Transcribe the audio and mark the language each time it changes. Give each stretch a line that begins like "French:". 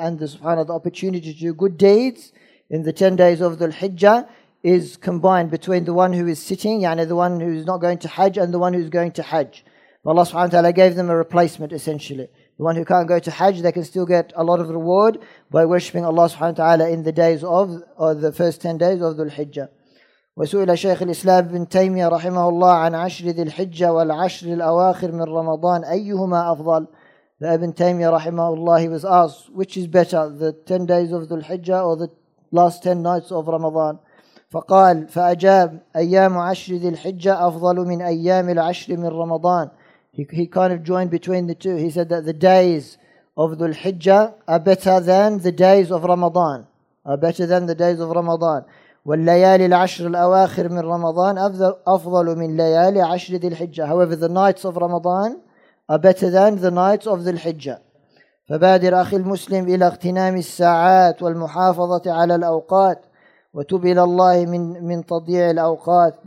English: And the subhanAllah, the opportunity to do good deeds in the 10 days of Dhul-Hijjah is combined between the one who is sitting, yani the one who is not going to Hajj, and the one who is going to Hajj. But Allah subhanahu wa ta'ala gave them a replacement, essentially. The one who can't go to Hajj, they can still get a lot of reward by worshipping Allah subhanahu wa ta'ala in the days of, or the first 10 days of Dhul-Hijjah.
Arabic: وسئل شيخ الإسلام بن تيمية رحمه الله عن عشر ذي الحجة والعشر الأواخر من رمضان أيهما أفضل. فابن تيمية رحمه الله
English: was asked, which is better, the 10 days of ذي الحجة or the last 10 nights of رمضان.
Arabic: فقال فأجاب أيام عشر ذي الحجة أفضل من أيام العشر من رمضان.
English: He kind of joined between the two. He said that the days of ذي الحجة are better than the days of رمضان, are better than the days of رمضان.
Arabic: والليالي العشر الأواخر من رمضان أفضل من ليالي عشر ذي الحجة.
English: However, the nights of Ramadan are better than the nights of ذي الحجة.
Arabic: فبادر أخي المسلم إلى اغتنام الساعات والمحافظة على الأوقات وتب إلى الله من تضيع الأوقات.